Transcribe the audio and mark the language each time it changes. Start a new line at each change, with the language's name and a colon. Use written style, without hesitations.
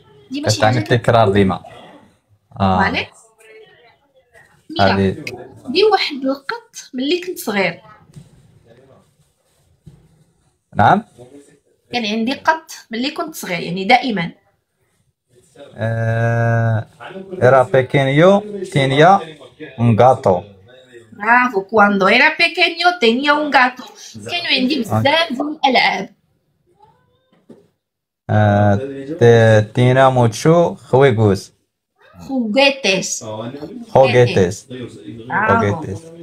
Arabic: ديما شي كتعمل حاجه كانت تكرار ديما فوالا. ميا هذه دي واحد القط ملي كنت صغير نعم كان عندي قط ملي كنت صغير يعني دائما
Spanish: era pequeño tenía un gato
Arabic: برافو.
Spanish: كواندو era pequeño tenía un gato
Arabic: كانوا عندي بزاف ديال الالعاب.
Spanish: tenía mucho juegos juguetes juguetes
Arabic: برافو
Spanish: juguetes